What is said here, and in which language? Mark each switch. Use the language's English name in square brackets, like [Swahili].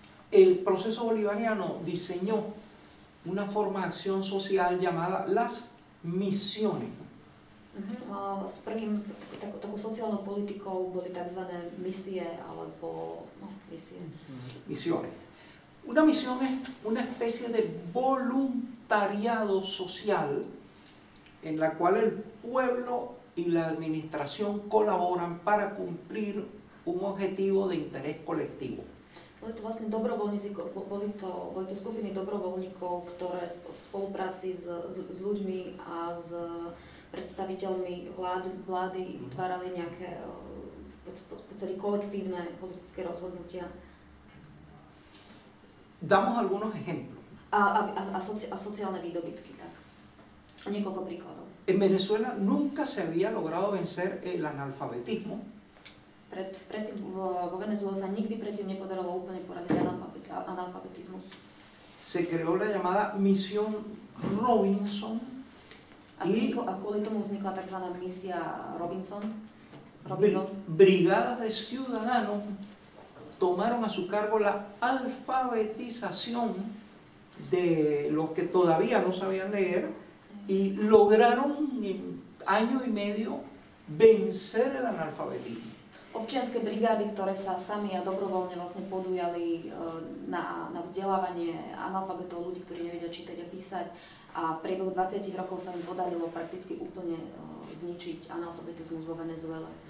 [Spanish] El proceso bolivariano diseñó una forma de acción social llamada las misiones. [Slovak] S prvým takou sociálnou politikou boli tzv. Misie, alebo misie. [Spanish] Misiones. Una misión es una especie de voluntariado social en la cual el pueblo y la administración colaboran para cumplir un objetivo de interés colectivo. [Slovak] Boli to vlastne dobrovoľníkov, boli to skupiny dobrovoľníkov, ktoré v spolupráci s ľuďmi a s predstaviteľmi vlády vytvárali nejaké v podstate kolektívne politické rozhodnutia. [Spanish] Damos algunos ejemplos. [Slovak] A sociálne výdobytky, tak. Niekoľko príkladov. [Spanish] En Venezuela nunca se había logrado vencer el analfabetismo. [Slovak] Vo Venezuele sa nikdy predtým nepodarilo úplne poraziť analfabetizmus. [Spanish] Se creó la llamada misión Robinson. [Slovak] A kvôli tomu vznikla tzv. Misia Robinson. [Spanish] Brigadas de ciudadanos tomaron a su cargo la alfabetización de los que todavía no sabían leer, y lograron en año y medio vencer el analfabetismo. [Slovak] občianske brigády, ktoré sa sami a dobrovoľne vlastne podujali na vzdelávanie analfabetov, ľudí, ktorí nevedia čítať a písať. A v priebehu 20 rokov sa mi podarilo prakticky úplne zničiť analfabetizmus vo Venezuele.